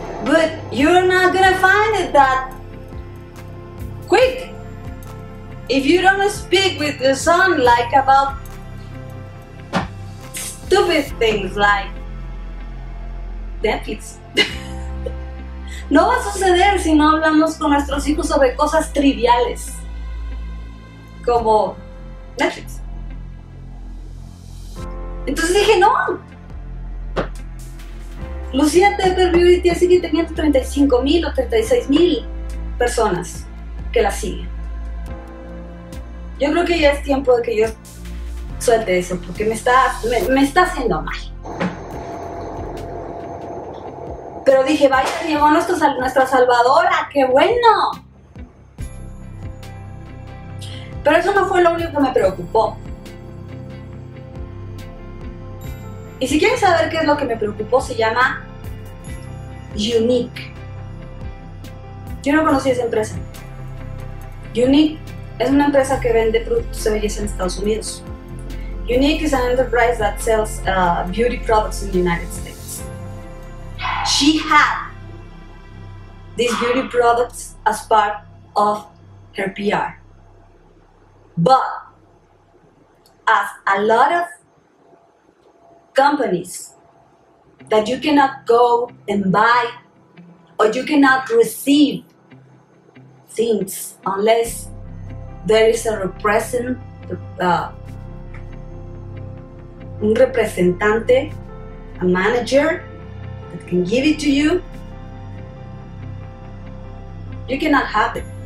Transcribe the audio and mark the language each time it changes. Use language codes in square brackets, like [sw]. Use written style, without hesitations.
[en] but you're not gonna find it that quick. If you don't speak with your son like about stupid things like deficits. [es] No va a suceder si no hablamos con nuestros hijos sobre cosas triviales como Netflix. Entonces dije, no. Lucía Tepper Beauty tiene 535 mil o 36 mil personas que la siguen. Yo creo que ya es tiempo de que yo suelte eso, porque me está haciendo mal. Pero dije, vaya, llegó nuestra salvadora, ¡qué bueno! Pero eso no fue lo único que me preocupó. Y si quieres saber qué es lo que me preocupó, se llama Unique. Yo no conocí esa empresa. Unique es una empresa que vende productos de belleza en Estados Unidos. [en] Unique is an enterprise that sells beauty products in the United States. She had these beauty products as part of her PR. But as a lot of companies that you cannot go and buy or you cannot receive things unless there is a representante, a manager, that can give it to you, you cannot have it.